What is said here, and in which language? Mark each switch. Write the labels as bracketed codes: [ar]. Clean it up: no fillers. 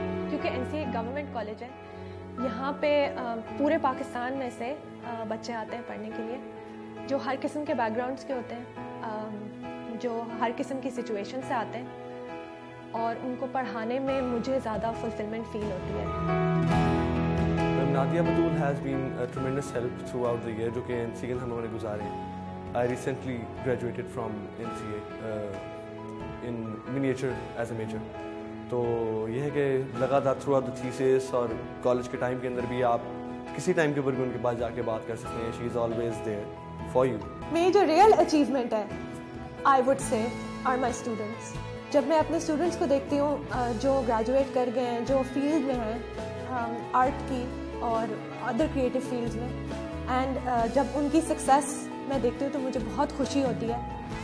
[hi] क्योंकि NCA एक government college है, यहाँ पे पूरे पाकिस्तान में से बच्चे आते हैं पढ़ने के लिए, जो हर किस्म के बैकग्राउंड्स के होते हैं, जो हर किस्म की सिचुएशन से आते हैं, और उनको पढ़ाने में मुझे ज़्यादा फुलफिलमेंट फील होती है। [en] Nadia Badul has been a tremendous help throughout the year [hi] जो कि NCA हम लोगों ने गुजारे। [en] I recently graduated from NCA in miniature as a major. [hi] तो यह है कि लगातार [en] throughout the thesis [hi] और कॉलेज के टाइम के अंदर भी आप किसी टाइम के ऊपर भी उनके पास जाके बात कर सकते हैं। [en] She is always there for you. [hi] मेरी जो [en] Real achievement है I would say are my students. [hi] जब मैं अपने स्टूडेंट्स को देखती हूँ जो ग्रेजुएट कर गए हैं, जो फील्ड में हैं आर्ट की और अदर क्रिएटिव फील्ड में, एंड जब उनकी सक्सेस मैं देखती हूँ तो मुझे बहुत खुशी होती है।